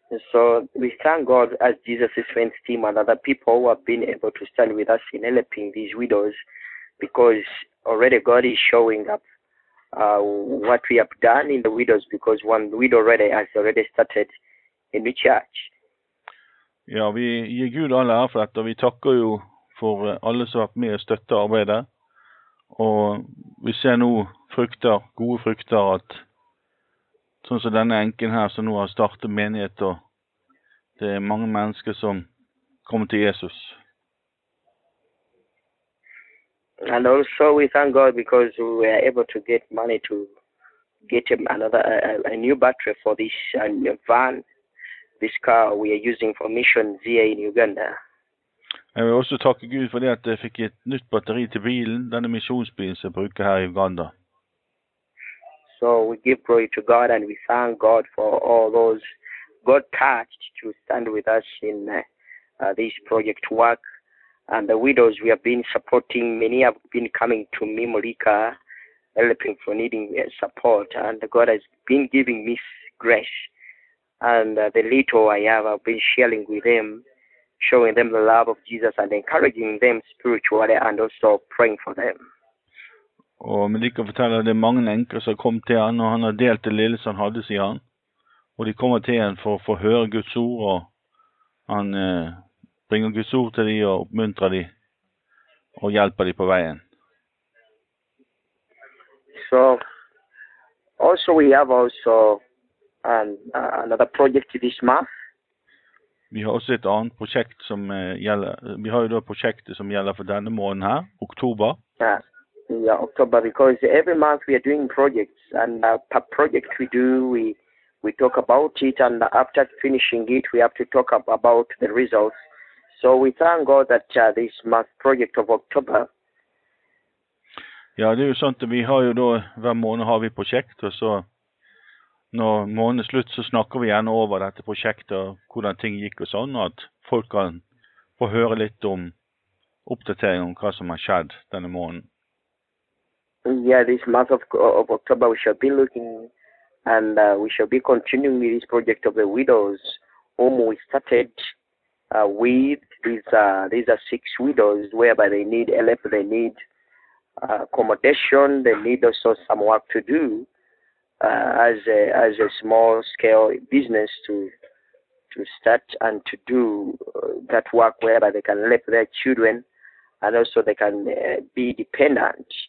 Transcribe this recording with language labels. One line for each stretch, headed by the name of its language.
English: So we thank God as Jesus' friends team and other people who have been able to stand with us in helping these widows because already God is showing up what we have done in the widows because one widow already has already started a new church.
Norwegian: Ja, vi gir Gud all ære for dette, og vi takker jo for alle som har vært med og støttet arbeidet. Og vi ser nå gode frukter, at sånn som denne enken her som nå har startet menighet, og det er mange mennesker som kommer til Jesus.
English: And also we thank God because we were able to get money to get a new battery for this van. This car we are using for mission ZA in Uganda.
Norwegian: Jeg vil også takke Gud for det at jeg fikk et nytt batteri til bilen, denne misjonsbilen som jeg bruker her i Uganda.
English: So we give glory to God and we thank God for all those God touched to stand with us in this project work. And the widows we have been supporting, many have been coming to me, Mulika, helping for needing support. And God has been giving me grace. And the little I have, I've been sharing with them, showing them the love of Jesus and encouraging them spiritually and also praying for them.
Norwegian: Og Melika forteller at det er mange enker som har kommet til han, og han har delt det lille som han hadde, sier han. Og de kommer til han for å få høre Guds ord, og han bringer Guds ord til dem og oppmuntrer dem og hjelper dem på veien.
English: So, also we have also another project this month.
Norwegian: Vi har også et annet prosjekt som gjelder. Vi har jo da prosjektet som gjelder for denne måneden her, oktober.
English: Yeah, October, because every month we are doing projects, and per project we do, we talk about it, and after finishing it, we have to talk about the results. So we thank God that this month project of October.
Norwegian: Ja, det er jo sånn at vi har jo da, hver måned har vi prosjekt, og så når måneden er slutt, så snakker vi gjerne over dette prosjektet, og hvordan ting gikk og sånn, og at folk kan få høre litt om oppdateringen om hva som har skjedd denne måneden.
English: Yeah, this month of October we shall be looking, and we shall be continuing with this project of the widows, whom we started with. These are six widows, whereby they need help, they need accommodation, they need also some work to do as a small scale business to start and to do that work, whereby they can help their children, and also they can be dependent.